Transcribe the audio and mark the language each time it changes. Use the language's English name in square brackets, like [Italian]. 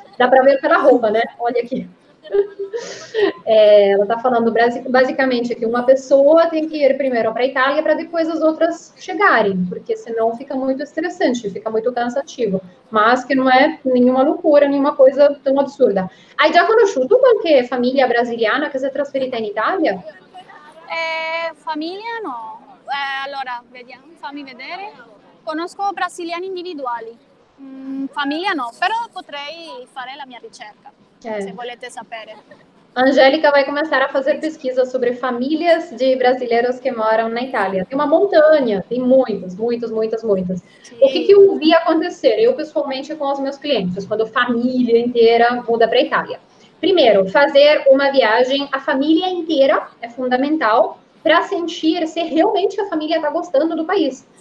[Portuguese] Dá para ver pela roupa, né? Olha aqui. Ela está falando basicamente que uma pessoa tem que ir primeiro para a Itália para depois as outras chegarem, porque senão fica muito estressante, fica muito cansativo. Mas que não é nenhuma loucura, nenhuma coisa tão absurda. [Italian] Hai già conosciuto qualche famiglia brasiliana che si è trasferita in Italia? Famiglia no. Allora, vediamo, fammi vedere. Conosco brasiliani individuali. Famiglia no, però potrei fare la mia ricerca, se volete sapere. [Portuguese] Angélica vai começar a fazer pesquisa sobre famílias de brasileiros que moram na Itália. Tem uma montanha, tem muitas, muitas, muitas, muitas. O que que Sim. eu vi acontecer, eu pessoalmente, com os meus clientes, quando a família inteira muda para a Itália? Primeiro, fazer uma viagem, a família inteira é fundamental para sentir se realmente a família está gostando do país.